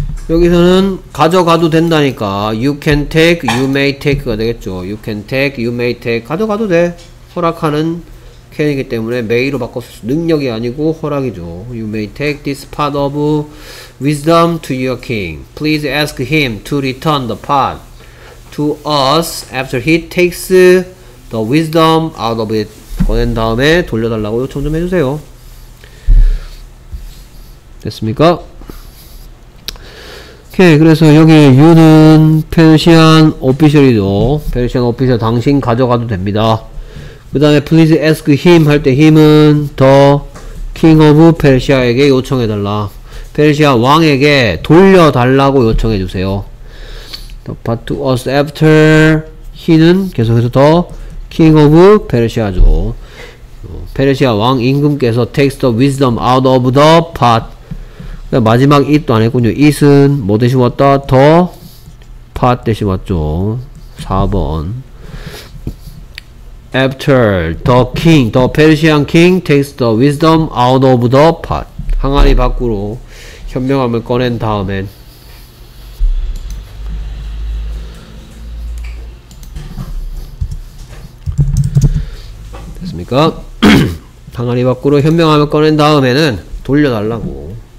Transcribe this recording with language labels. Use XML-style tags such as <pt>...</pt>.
<ko>여기서는 가져가도 된다니까.</ko> <en>You can take, you may take가 되겠죠. You can take, you may take.</en> <ko>가져가도 돼. 허락하는 can이기 때문에 may로 바꿨을 수, 능력이 아니고 허락이죠.</ko> <en>You may take this part of wisdom to your king. Please ask him to return the part to us after he takes the wisdom out of it.</en> <ko>꺼낸 다음에 돌려달라고 요청 좀 해주세요. 됐습니까? 오케이, 그래서 여기 you는 Persian official이죠. Persian official 당신 가져가도 됩니다. 그 다음에</ko> <en>please ask him</en> <ko>할 때 him은 the king of Persia에게 요청해달라. 페르시아 왕에게 돌려달라고 요청해주세요.</ko> <en>The part to us after he는</en> <ko>계속해서</ko> <en>the king of Persia죠.</en> <ko>페르시아 왕 임금께서</ko> <en>takes the wisdom out of the pot.</en> <ko>마지막 it도 안 했군요. it은 뭐 대신 왔다? the pot 대신 왔죠. 4번.</ko> <en>After the king, the Persian king takes the wisdom out of the pot.</en> <ko>항아리 밖으로 현명함을 꺼낸 다음엔. 됐습니까? 항아리 밖으로 현명함을 꺼낸 다음에는 돌려달라고.</ko>